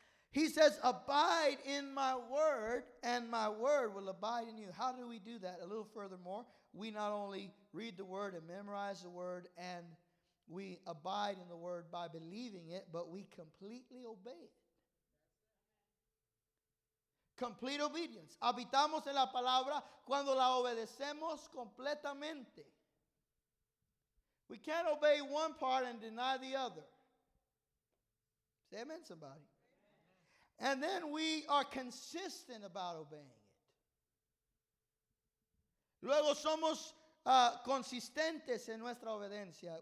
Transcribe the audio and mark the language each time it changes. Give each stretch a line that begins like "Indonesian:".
English: He says, abide in my word, and my word will abide in you. How do we do that? A little further more. We not only read the word and memorize the word and we abide in the word by believing it, but we completely obey it. Complete obedience.
Spanish: Habitamos en la palabra cuando la obedecemos completamente.
English: We can't obey one part and deny the other. Say amen, somebody. And then we are consistent about obeying.
Spanish: Luego somos consistentes en nuestra obediencia.